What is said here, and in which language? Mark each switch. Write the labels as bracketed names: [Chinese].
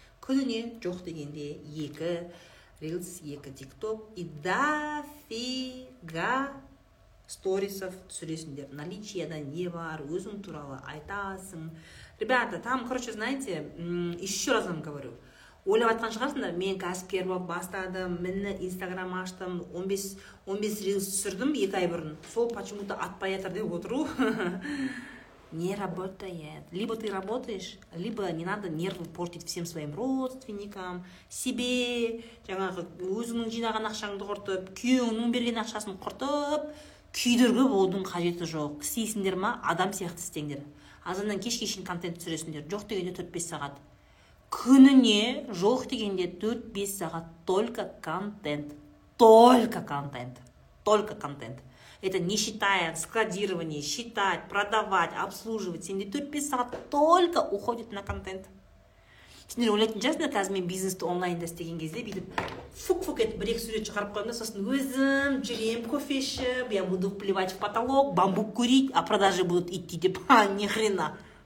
[Kazakh] Күніне жоқ дегенде 2 Reels, 2 TikTok. [Russian] И дофига сторисов [Kazakh] түсіресіңдер, наличияда не бар, өзің туралы айтасың. [Russian] Ребята, там, короче, знаете, еще раз вам говорю. [Kazakh] Ойлап айтқан шығарсыңдар, мен кәсіпкер болып бастадым, мені Инстаграм аштым, 15 рилс түсірдім 2 ай бұрын. Сол почему-то атпай жатыр деп отыру. [Russian] Не работает. Либо ты работаешь, либо не надо нервы портить всем своим родственникам, себе, [Kazakh] жаңағы өзіңнің жинаған ақшаңды құртып, күйеуіңнің берген ақшасын құртып, күйдіргі болдың қажеті жоқ. Істейсіңдер ма, адам сияқты істеңдер. Азаннан кешке шейін контент түсіресіңдер. Жоқ дегенде 4-5 сағат. Күніне жоқ дегенде 4-5 сағат [Russian] только контент. Только контент. Только контент. Это не считая складирование, считать, продавать, обслуживать. [Kazakh] Сенде 4-5 сағат [Russian] только уходит на контент. [Kazakh] Сендер ойлайтын шығарсыңдар, қазір мен бизнесті онлайнда істеген кезде бүйтіп фук-фук етіп бір екі сурет шығарып қоямын да, сосын өзім жүремін кофе ішіп, [Russian] я буду плевать в потолок, бамбук курить, а продажи будут идти [Kazakh] деп, [Russian] ни хрена.